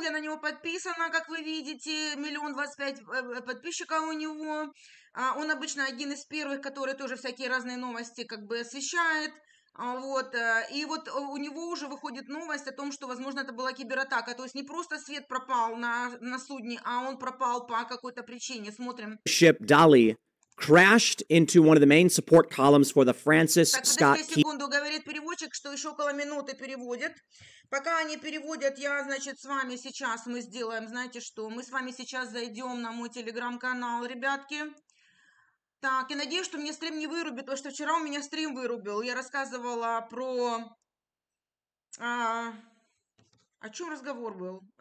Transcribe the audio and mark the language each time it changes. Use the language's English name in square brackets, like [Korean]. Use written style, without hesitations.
[Russian] Я на него подписана, как вы видите, 1,25 миллиона подписчиков у него. Он обычно один из первых, который тоже всякие разные новости как бы освещает. Вот. И вот у него уже выходит новость о том, что, возможно, это была кибератака. То есть не просто свет пропал на судне, а он пропал по какой-то причине. Смотрим. [English] Ship Dali crashed into one of the main support columns for the Francis Scott Key. [Russian] Секунду, говорит переводчик, что еще около минуты переводит. Пока они переводят, я, значит, с вами сейчас мы сделаем, знаете что, мы с вами сейчас зайдем на мой телеграм-канал, ребятки. Так, я надеюсь, что мне стрим не вырубит, потому что вчера у меня стрим вырубил. Я рассказывала про... о чем разговор был?